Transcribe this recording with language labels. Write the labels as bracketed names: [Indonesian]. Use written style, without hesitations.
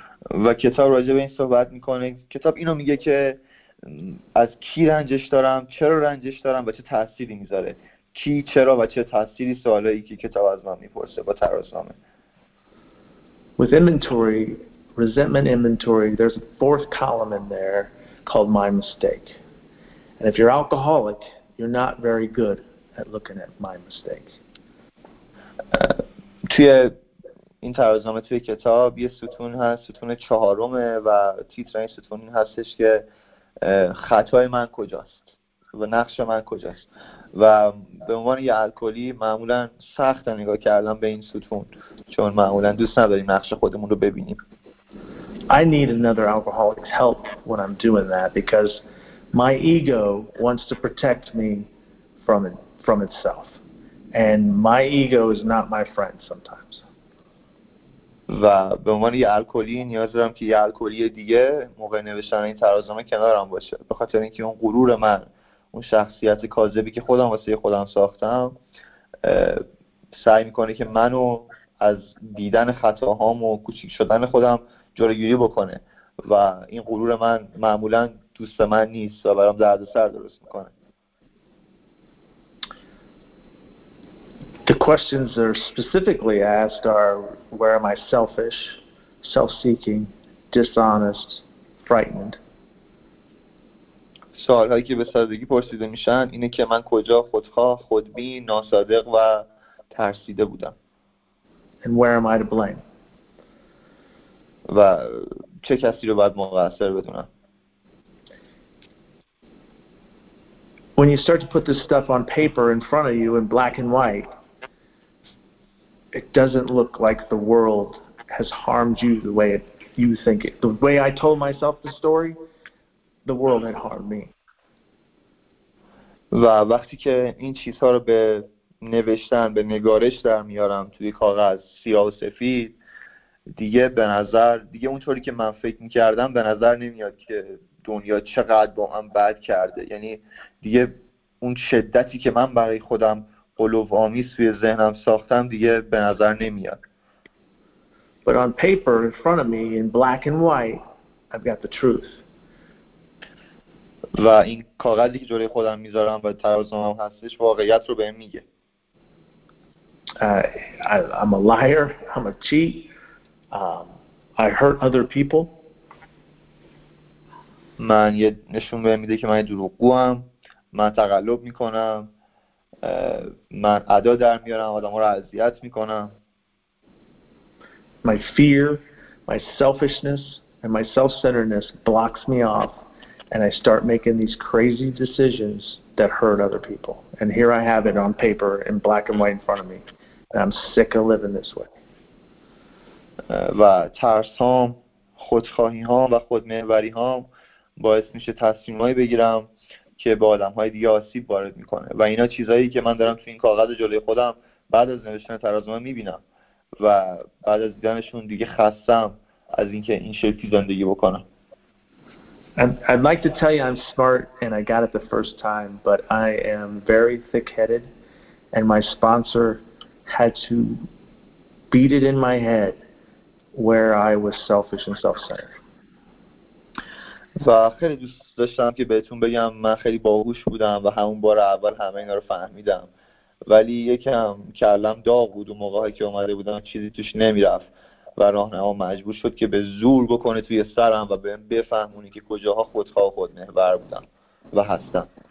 [Persian] و کتاب راجع به این صحبت میکنه. کتاب اینو میگه که از کی رنجش دارم، چرا رنجش دارم و چه تأثیری میذاره. کی، چرا و چه تأثیری، سوالایی که کتاب از من میپرسه با ترازنامه. [English] With inventory, resentment inventory, there's a fourth column in there called my mistake. And if you're alcoholic, you're not very good at looking at my mistake. [Persian] توی این ترازنامه توی کتاب یه ستون هست، ستون چهارمه و تیتر این ستون هستش که خطای من کجاست و نقش من کجاست. و به عنوان یه الکلی معمولا سخت نگاه کردم به این ستون، چون معمولا دوست نداریم نقش خودمون رو ببینیم. [English] I need another alcoholic's help when I'm doing that because my ego wants to protect me from itself, and my ego is not my friend sometimes. [Persian] و به عنوان یه الکلی نیاز دارم که یه الکلی دیگه موقع نوشتن این ترازنامه کنارم باشه، به خاطر اینکه اون غرور من، اون شخصیت کاذبی که خودم واسه خودم ساختم، سعی میکنه که منو از دیدن خطاهام و کوچیک شدن خودم جلوگیری بکنه. و این غرور من معمولا دوست من نیست و برام دردسر درست میکنه. [English] The questions that are specifically asked are, where am I selfish, self-seeking, dishonest, frightened? [Persian] سوال هایی که به سادگی پرسیده میشن اینه که من کجا خودخواه، خودبین، ناصادق و ترسیده بودم. [English] And where am I to blame? [Persian] و چه کسی رو باید مقصر بدونم؟ [English] When you start to put this stuff on paper in front of you in black and white, it doesn't look like the world has harmed you the way you think it. The way I told myself the story, the world had harmed me. [Persian] و وقتی که این چیزها رو به نوشتن، به نگارش در میارم توی کاغذ سیاه و سفید، دیگه به نظر، دیگه اونطوری که من فکر می‌کردم به نظر نمیاد که دنیا چقدر با من بد کرده. یعنی دیگه اون شدتی که من برای خودم قلوب آمیز توی ذهنم ساختم دیگه به نظر نمیاد. [English] But on paper in front of me in black and white, I've got the truth. [Persian] و این کاغذی که جلوی خودم میذارم و ترازنامه‌ام هستش واقعیت رو بهم میگه. [English] I'm a liar, I'm a cheat. I hurt other people. [Persian] من یه نشون بهم میده که من دروغگوام، من تقلب میکنم، من ادا در میارم، آدم ها رو اذیت میکنم. [English] My fear, my selfishness, and my self-centeredness blocks me off, and I start making these crazy decisions that hurt other people. And here I have it on paper in black and white in front of me, and I'm sick of living this way. [Persian] و ترس هام، خودخواهی هام و خودمحوری هام باعث میشه تصمیمهایی بگیرم که با آدمهای دیگه آسیب وارد میکنه و اینا چیزهایی که من دارم تو این کاغذ جلوی خودم بعد از نوشتن ترازمه میبینم و بعد از دیدنشون دیگه خستم از اینکه این شکلی زندگی بکنم. [English] I'd like to tell you I'm smart and I got it the first time, but I am very thick-headed and my sponsor had to beat it in my head where I was selfish and self-centered. [Persian] و خیلی دوست داشتم که بهتون بگم من خیلی باهوش بودم و همون بار اول همه اینا رو فهمیدم، ولی یکم کلم داغ بود و موقعی که اومده بودم چیزی توش نمی‌رفت و راهنما مجبور شد که به زور بکنه توی سرم و بهم بفهمونه که کجاها خودخواه و خودمحور بودم و هستم.